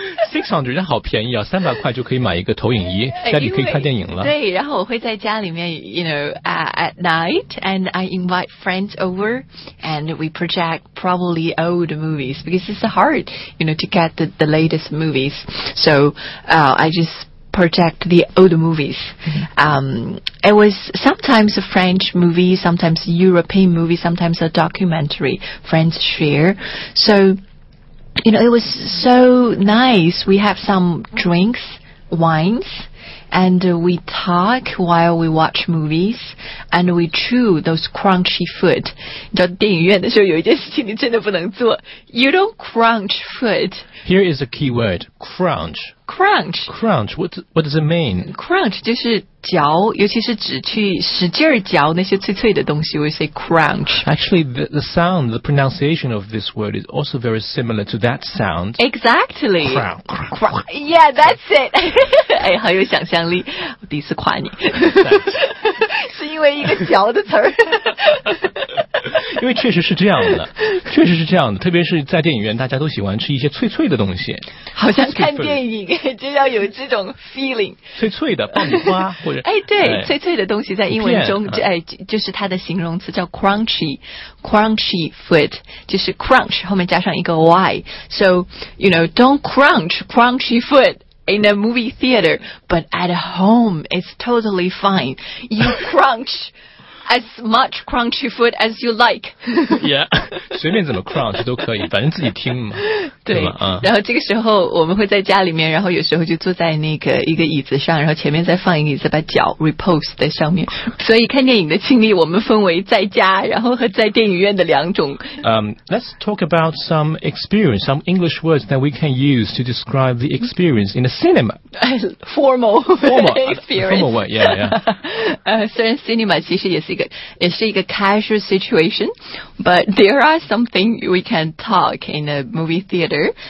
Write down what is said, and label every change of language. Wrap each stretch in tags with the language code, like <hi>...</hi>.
<zh>600, 那好便宜啊，300块就可以买一个投影仪，家里可以看电影了。对，然后我会在家里面</zh> <en>you know, at night, and I invite friends over, and we project probably old movies, because it's hard, you know, to get the latest movies. So, I just project the old movies. It was sometimes a French movie, sometimes a European movie, sometimes a documentary, friends share. So,You know, it was so nice. We have some drinks, wines, and we talk while we watch movies, and we chew those crunchy food.</en> <zh>你知道电影院的时候有一件事情你真的不能做。</zh> <en>You don't crunch food. Here is a key word, crunch. Crunch. Crunch, what does it mean?</en> <zh>Crunch 就是嚼，尤其是指去使劲嚼那些脆脆的东西，</zh> <en>we say crunch. Actually, the sound, the pronunciation of this word is also very similar to that sound. Exactly. Crunch. Yeah, that's it.</en> <zh>哎，好有想象力，我第一次夸你。是因为一个嚼的词儿。因为确实是这样的，确实是这样的，特别是在电影院，大家都喜欢吃一些脆脆的东西。好像看电影就要有这种 feeling。脆脆的爆米花或者脆脆的东西在英文中就是它的形容词叫 crunchy food， 就是 crunch 后面加上一个 y，</zh> <en>so you know don't crunch crunchy food。 In a movie theater, but at home, it's totally fine. You crunch as much crunchy food as you like.</en> <zh>Yeah, 随便怎么 crunch 都可以，反正自己听嘛。对，然后这个时候我们会在家里面，然后有时候就坐在那个一个椅子上，然后前面再放一个椅子，把脚 repose 在上面。所以看电影的经历，我们分为在家，然后和在电影院的两种。</zh> <en>Let's talk about some experience, some English words that we can use to describe the experience in a cinema. Formal experience. Formal one, yeah.</en> <zh>虽然</zh> <en>cinema</en> <zh>其实也是一个</zh> <en>casual situation, but there are something we can talk in a movie theater.</en>